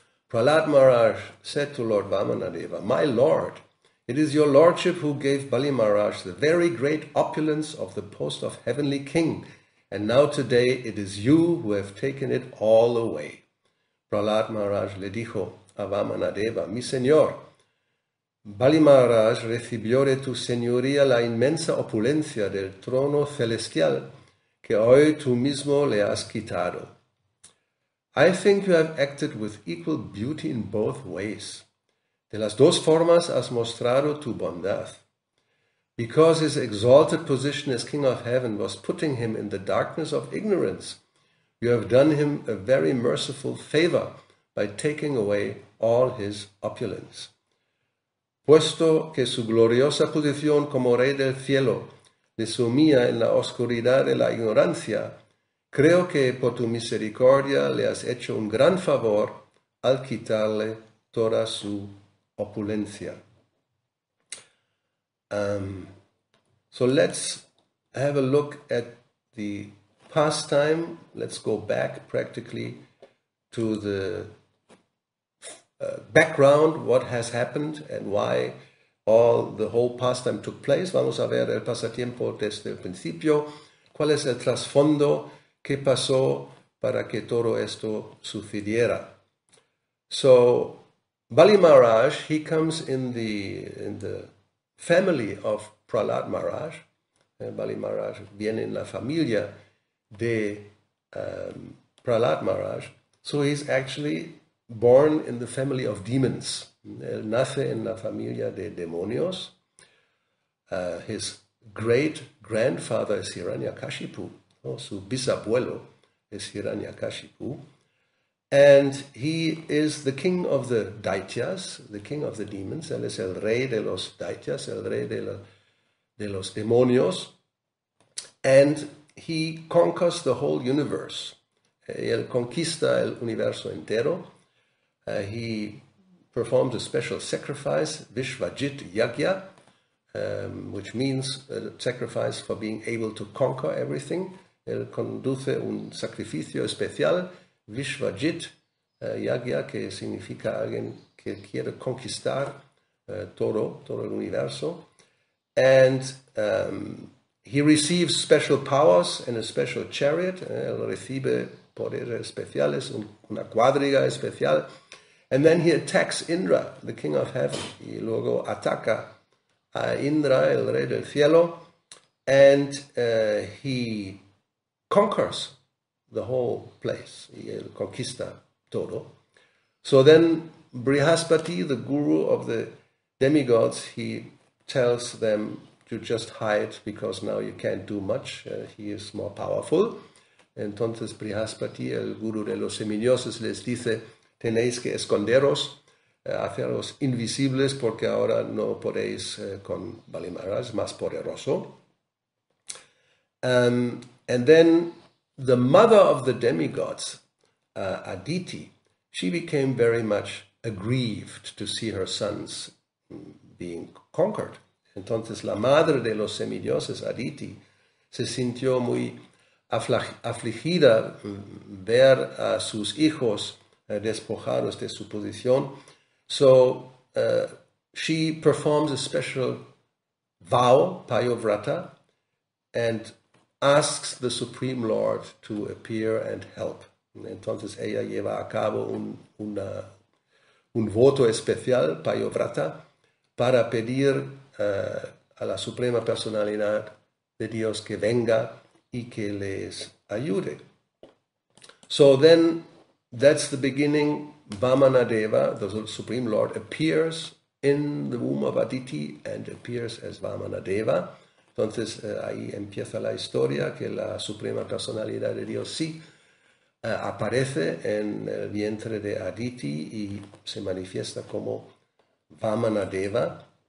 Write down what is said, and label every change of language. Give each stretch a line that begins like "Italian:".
English: Prahlad Maharaj said to Lord Vamanadeva, "My Lord, it is your lordship who gave Bali Maharaj the very great opulence of the post of heavenly king. And now today it is you who have taken it all away."
Spanish: Prahlad Maharaj le dijo a Vamana Deva, "Mi señor, Bali Maharaj recibió de tu señoría la inmensa opulencia del trono celestial que hoy tú mismo le has quitado.
English: I think you have acted with equal beauty in both ways.
Spanish: De las dos formas has mostrado tu bondad.
English: Because his exalted position as King of Heaven was putting him in the darkness of ignorance, you have done him a very merciful favor by taking away all his opulence.
Spanish: Puesto que su gloriosa posición como Rey del Cielo le sumía en la oscuridad de la ignorancia, creo que por tu misericordia le has hecho un gran favor al quitarle toda su opulencia."
English: So let's have a look at the pastime. Let's go back practically to the background, what has happened and why the whole pastime took place.
Spanish: Vamos a ver el pasatiempo desde el principio. ¿Cuál es el trasfondo? ¿Qué pasó para que todo esto sucediera.
English: So Bali Maharaj, he comes in the family of Prahlad Maharaj.
Spanish: Bali Maharaj viene en la familia de Prahlad Maharaj.
English: So he's actually born in the family of demons.
Spanish: Él nace en la familia de demonios.
English: His great-grandfather is Hiranyakashipu.
Spanish: Oh, su bisabuelo es Hiranyakashipu.
English: And he is the king of the daityas, the king of the demons.
Spanish: Él es el rey de los daityas, el rey de los demonios.
English: And he conquers the whole universe.
Spanish: Él conquista el universo entero.
English: He performs a special sacrifice, Vishvajit Yagya, which means a sacrifice for being able to conquer everything.
Spanish: Él conduce un sacrificio especial, Vishvajit Yagya, que significa alguien que quiere conquistar todo el universo.
English: And he receives special powers and a special chariot.
Spanish: Él recibe poderes especiales, una cuadriga especial.
English: And then he attacks Indra, the king of heaven.
Spanish: Y luego ataca a Indra, el rey del cielo.
English: And he conquers the whole place.
Spanish: Y él conquista todo.
English: So then Brihaspati, the guru of the demigods, he tells them to just hide because now you can't do much. He is more powerful.
Spanish: Entonces Brihaspati, el guru de los semidioses, les dice: tenéis que esconderos, haceros invisibles porque ahora no podéis con Bali Maharaj, más poderoso.
English: And then the mother of the demigods, Aditi, she became very much aggrieved to see her sons being conquered.
Spanish: Entonces la madre de los semidioses, Aditi, se sintió muy afligida ver a sus hijos despojados de su posición.
English: So she performs a special vow, payovrata, and asks the Supreme Lord to appear and help.
Spanish: Entonces ella lleva a cabo un voto especial, payovrata, para pedir a la Suprema Personalidad de Dios que venga y que les ayude.
English: So then that's the beginning. Vamana-deva, the Supreme Lord, appears in the womb of Aditi and appears as Vamana-deva.
Spanish: Entonces, ahí empieza la historia, que la Suprema Personalidad de Dios sí aparece en el vientre de Aditi y se manifiesta como Vamana-deva.